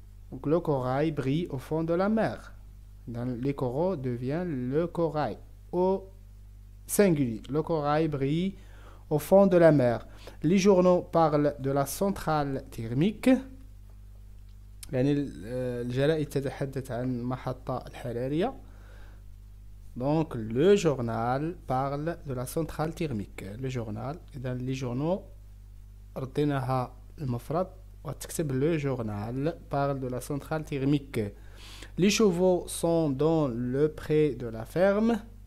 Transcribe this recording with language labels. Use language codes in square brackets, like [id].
[fr] Donc le corail brille au fond de la mer. Dans les coraux devient le corail au singulier. Le corail brille au fond de la mer. Les journaux parlent de la centrale thermique. [ar] يعني الجرائد تتحدث عن محطة الحرارية. [fr] Donc le journal parle de la centrale thermique. Le journal, dans les journaux, [ar] retenaha المفرد وتكتب [fr] le journal parle de la centrale thermique. Les chevaux sont dans le pré de la ferme.